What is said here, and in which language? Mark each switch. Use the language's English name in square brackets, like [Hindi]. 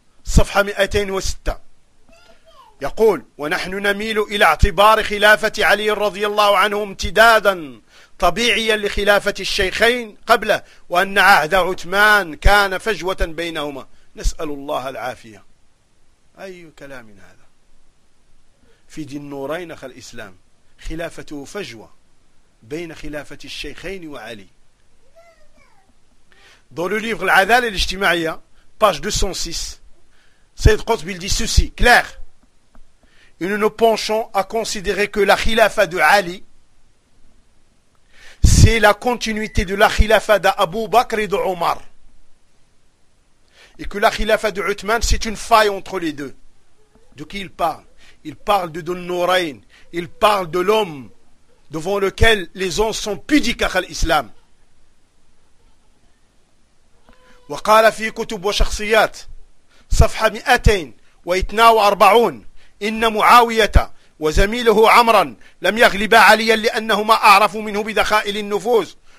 [Arabic] صفحة 206 يقول ونحن نميل إلى اعتبار خلافة علي رضي الله عنه امتدادا طبيعيا لخلافة الشيخين قبله وأن عهد عثمان كان فجوة بينهما نسأل الله العافية. أي كلام هذا في دين النورين أخ الإسلام؟ خلافته فجوة بين خلافة الشيخين وعلي. [French] dans le livre العدالة الاجتماعية page 206 Sayyid Qutb dit ceci, clair. Et nous nous penchons à considérer que la khilafa de Ali, c'est la continuité de la khilafa d'Abu Bakr et d'Omar. Et que la khilafa de Uthman, c'est une faille entre les deux. De qui il parle? Il parle de Dun Nourain. Il parle de l'homme devant lequel les gens sont pudiques à l'islam. [Arabic] Wa qala fi kutub wa shakhsiyat. صفحة 242 إن معاوية وزميله عمرا لم يغلبا عليا لأنهما أعرفوا منه بدخائل النفوذ